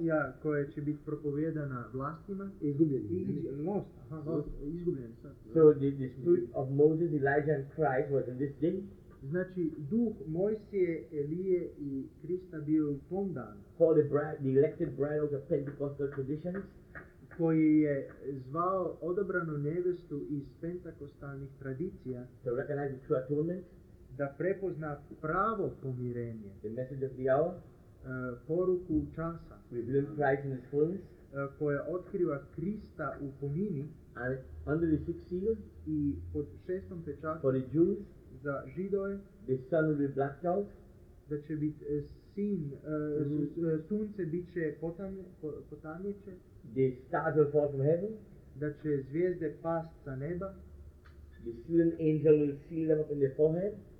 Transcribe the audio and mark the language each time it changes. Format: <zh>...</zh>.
<sr>Ja, koja će biti propovjedana vlastima. Izgubljeni.</sr> <en>So the spirit of Moses, Elijah and Christ was in this day.</en> <sr>Znači, duh Mojsije, Elije i Krista bio u tom dan.</sr> <en>Called the elected bride of the Pentecostal traditions.</en> <sr>Koji je zvao odabranu nevestu iz pentakostalnih tradicija.</sr> <en>To recognize the true atonement.</en> <sr>Da prepozna pravo pomirenje,</sr> <en>the message of the hour,</en> <sr>poruku časa,</sr> <en>revealing Christ in his fullness,</en> <sr>koja otkriva Krista u punini,</sr> <en>and under the sixth seal,</en> <sr>i pod šestom pečatom,</sr> <en>for the Jews,</en> <sr>za Židoje,</sr> <en>the sun will be blacked out,</en> <sr>da će biti sin, sunce bit će potamnjeće,</sr> <en>the stars will fall from heaven,</en> <sr>da će zvijezde past sa neba,</sr> <en>the sealed angel will seal them up in the forehead.</en>